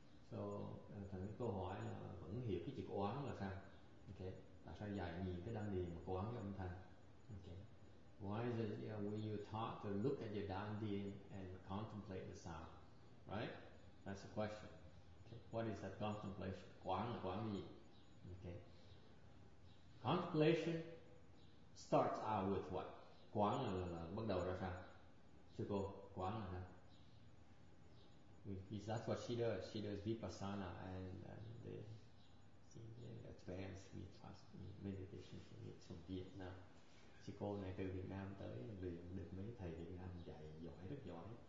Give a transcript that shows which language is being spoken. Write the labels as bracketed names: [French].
[Vietnamese] So, thành cái câu hỏi là vẫn hiểu cái chữ quán là sao? Okay. Là sao dạy nhìn cái đan điền mà quán cái âm thanh? [English] Okay. Why is it when you talk to look at your dan dien and contemplate the sound? Right? That's the question. Okay. What is that contemplation? [Vietnamese] Quán là quán gì? [English] Okay. Contemplation starts out with what? [Vietnamese] Quán là bắt đầu ra sao? Sư cô, quán là sao? [English] Because that's what she does. She does vipassana and the advanced meditation from Vietnam. [Vietnamese] Sư cô này từ Việt Nam tới luyện được mấy thầy Việt Nam dạy giỏi, rất giỏi.